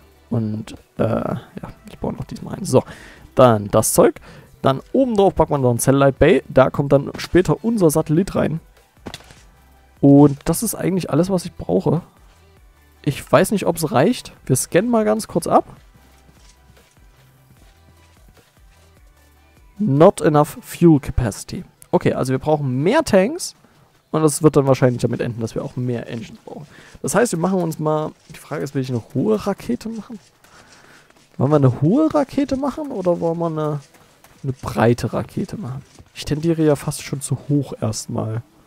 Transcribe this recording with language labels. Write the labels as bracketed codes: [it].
[de] Und ja, ich baue noch diesmal ein. So, dann das Zeug. Dann oben drauf packt man noch ein Satellite Bay. Da kommt dann später unser Satellit rein. Und das ist eigentlich alles, was ich brauche. Ich weiß nicht, ob es reicht. Wir scannen mal ganz kurz ab. [en] Not enough fuel capacity. [de] Okay, also wir brauchen mehr Tanks und das wird dann wahrscheinlich damit enden, dass wir auch mehr Engines brauchen. Das heißt, wir machen uns mal, die Frage ist, will ich eine hohe Rakete machen? Wollen wir eine hohe Rakete machen oder wollen wir eine breite Rakete machen? Ich tendiere ja fast schon zu hoch erstmal.